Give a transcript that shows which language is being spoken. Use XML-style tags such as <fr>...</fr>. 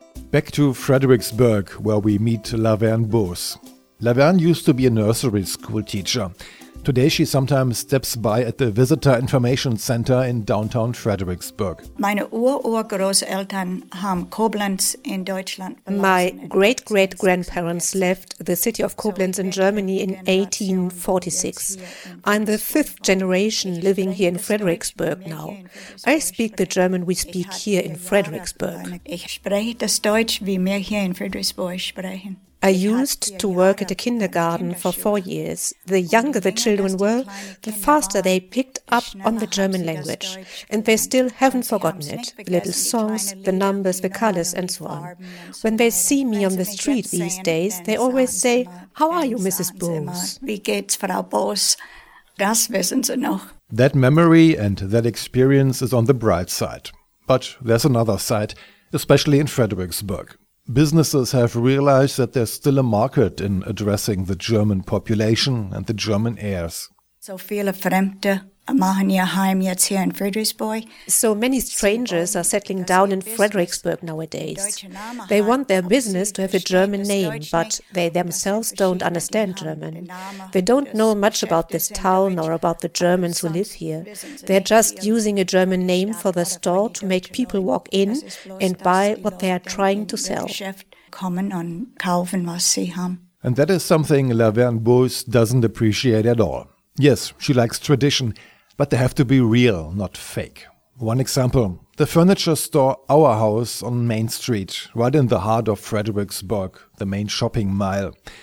<en>Back to Fredericksburg, where we meet Laverne Boos. Laverne used to be a nursery school teacher. Today, she sometimes steps by at the Visitor Information Center in downtown Fredericksburg.</en> <de>Meine Ur-Ur-Großeltern haben Koblenz in Deutschland.</de> <en>My great-great-grandparents left the city of Koblenz in Germany in 1846. I'm the fifth generation living here in Fredericksburg now. I speak the German we speak here in Fredericksburg.</en> <de>Ich spreche das Deutsch, wie wir hier in Fredericksburg sprechen.</de> <en>I used to work at a kindergarten for 4 years. The younger the children were, the faster they picked up on the German language. And they still haven't forgotten it. The little songs, the numbers, the colors, and so on. When they see me on the street these days, they always say, How are you, Mrs. Boos?</en> <de>Wie geht's, Frau Boos? Das wissen Sie noch.</de> <en>That memory and that experience is on the bright side. But there's another side, especially in Fredericksburg. Businesses have realized that there's still a market in addressing the German population and the German heirs.</en> <de>So viele Fremde machen ihr Heim jetzt hier in Friedrichsburg.</de> <en>So many strangers are settling down in Fredericksburg nowadays. They want their business to have a German name, but they themselves don't understand German. They don't know much about this town or about the Germans who live here. They're just using a German name for the store to make people walk in and buy what they are trying to sell.</en> <de>Kommen und kaufen, was sie haben.</de> <en>And that is something Laverne Boos doesn't appreciate at all. Yes, she likes tradition, but they have to be real, not fake. One example, the furniture store Our House on Main Street, right in the heart of Fredericksburg, the main shopping mile.</en>